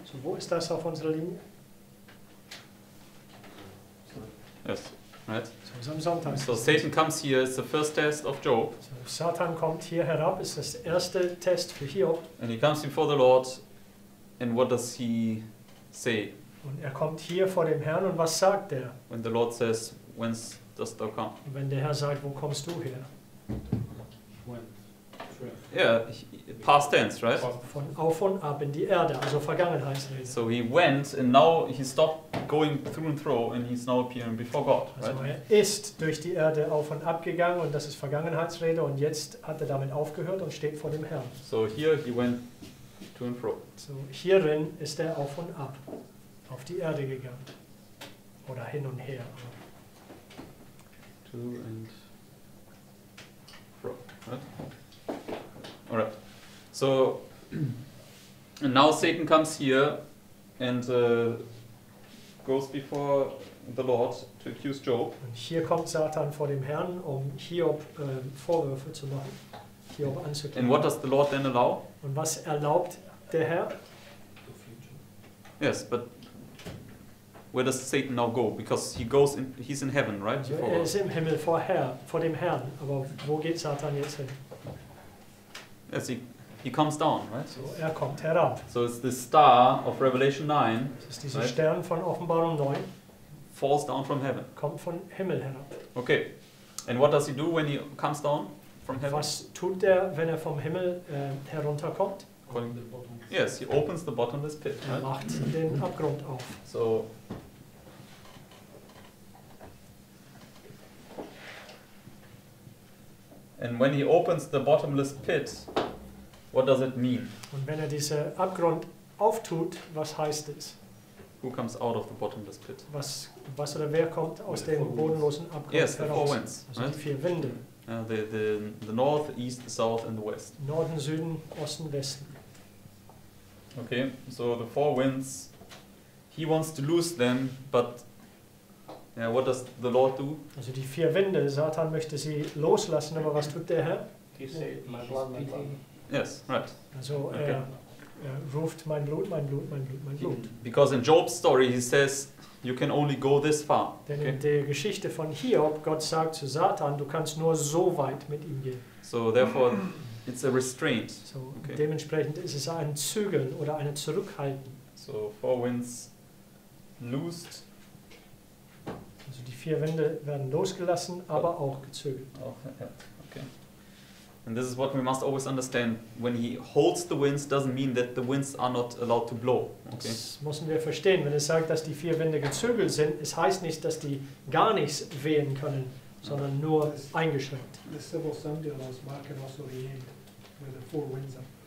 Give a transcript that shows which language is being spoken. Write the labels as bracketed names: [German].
[German] So wo ist das auf unserer Linie? Yes, right. [English] So it's on Sonntag. So Satan comes here. It's the first test of Job. [German] So Satan kommt hier herab. Ist das erste Test für Hiob. [English] And he comes before the Lord, and what does he say? [German] Und kommt hier vor dem Herrn und was sagt er? [English] When the Lord says, Whence dost thou come? [German] Und wenn der Herr sagt, wo kommst du her? [English] Yeah, past tense, right? [German] Von auf und ab in die Erde, also Vergangenheitsrede. [English] So he went, and now he stopped going through and through, and he's now appearing before God, also right? [German] Er ist durch die Erde auf und ab gegangen, und das ist Vergangenheitsrede, und jetzt hat damit aufgehört und steht vor dem Herrn. [English] So here he went to and fro. [German] So hierin ist auf und ab, auf die Erde gegangen, oder hin und her. [English] To and fro, right? All right. So and now Satan comes here and goes before the Lord to accuse Job. [German] Und hier kommt Satan vor dem Herrn, um Hiob Vorwürfe zu machen, Hiob anzuklagen. [English] And what does the Lord then allow? [German] Und was erlaubt der Herr? [English] Yes, but where does Satan now go? Because he goes in, he's in heaven, right? [German] Before. Er ist im Himmel vor dem Herrn. Aber wo geht Satan jetzt hin? [English] Yes, he comes down, right? [German] So kommt herab. [English] So it's the star of Revelation 9. [German] Das ist dieser Stern von Offenbarung 9. [English] Falls down from heaven. [German] Kommt von Himmel herab. Okay. [English] And what does he do when he comes down from heaven? [German] Was tut wenn vom Himmel herunterkommt? [English] Calling the bottomless. Yes, he opens the bottomless pit. [German] Right? Macht den Abgrund auf. [English] So and when he opens the bottomless pit, what does it mean? [German] Und wenn diesen Abgrund auftut, was heißt es? [English] Who comes out of the bottomless pit? [German] Was oder wer kommt aus dem bodenlosen Abgrund heraus? Yes, [English] the four winds. Also right? [German] Die vier Winde. [English] The north, east, south and the west. [German] Norden, Süden, Osten, Westen. [English] Okay, so the four winds, he wants to lose them, but yeah, what does the Lord do? [German] Also die vier Winde, Satan möchte sie loslassen, aber was tut der Herr? [English] He said, my blood, my blood. Yes, right. Also okay. [German] ruft mein Blut, mein Blut, mein Blut, mein Blut. [English] Because in Job's story he says you can only go this far. [German] Denn okay. In der Geschichte von Hiob, Gott sagt zu Satan, du kannst nur so weit mit ihm gehen. [English] So therefore it's a restraint. So okay. [German] Dementsprechend ist es ein Zügeln oder ein Zurückhalten. [English] So four winds loosed. [German] Also die vier Winde werden losgelassen, aber auch gezügelt. Oh, yeah. Okay. [English] And this is what we must always understand. When he holds the winds, doesn't mean that the winds are not allowed to blow. Okay. [German] Das müssen wir verstehen. Wenn es sagt, dass die vier Winde gezügelt sind, es heißt nicht, dass die gar nichts wehen können, sondern nur eingeschränkt. [English] The civil Sunday laws mark can also be end where the four winds are.